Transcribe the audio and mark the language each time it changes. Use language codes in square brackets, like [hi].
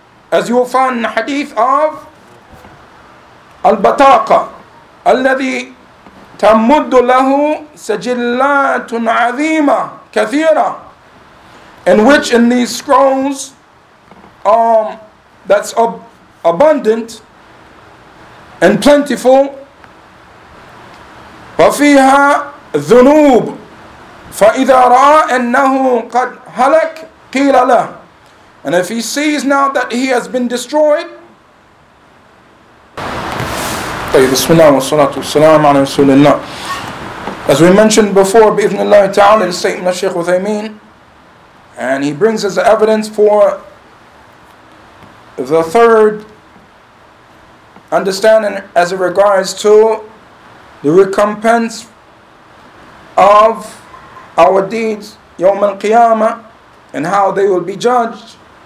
[en] As you will find in the hadith of al-bataqa, [ar] الَّذِي تَمُدُّ لَهُ سَجِلَّاتٌ عَظِيمَةٌ كَثِيرَةٌ. [en] In which in these scrolls, that's abundant and plentiful. [ar] ففيها ذنوب فإذا رأى أنه قد هلك قيل له. [en] And if he sees now that he has been destroyed. [ar] بسم الله والصلاة والسلام على رسول الله. [en] As we mentioned before, [ar] بإذن الله تعالى, [en] the statement of Shaykh Uthaymeen, and he brings us evidence for the third understanding as it regards to the recompense of our deeds, Yawm al-Qiyamah, and how they will be judged.